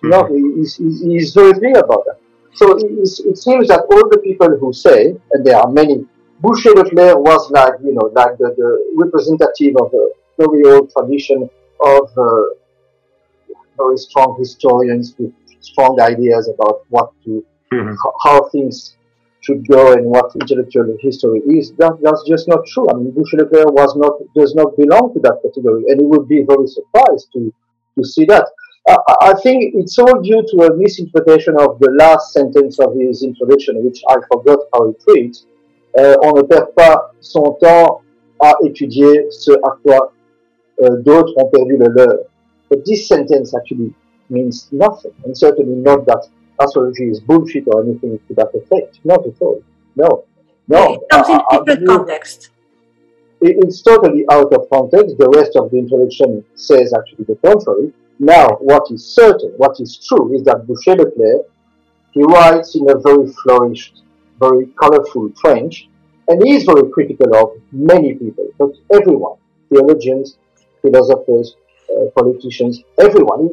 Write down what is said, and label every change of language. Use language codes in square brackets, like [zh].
[en] Mm-hmm. No, he's very clear about that. So it seems that all the people who say, and there are many, Bruce Leclerc was like, you know, like the representative of the very old tradition of very strong historians with strong ideas about what to, how things should go and what intellectual history is. That's just not true. I mean, Bruce Leclerc does not belong to that category, and he would be very surprised to see that. I think it's all due to a misinterpretation of the last sentence of his introduction, which I forgot how it reads. [fr] On ne perd pas son temps à étudier ce à quoi d'autres ont perdu le leur. [en] But this sentence actually means nothing, and certainly not that astrology is bullshit or anything to that effect. Not at all. No. No. It comes in different context. It's totally out of context. The rest of the introduction says actually the contrary. Now, what is certain, what is true, is that Bruce Leclerc, he writes in a very flourished, very colorful French, and he is very critical of many people, but everyone, theologians, philosophers, politicians, everyone.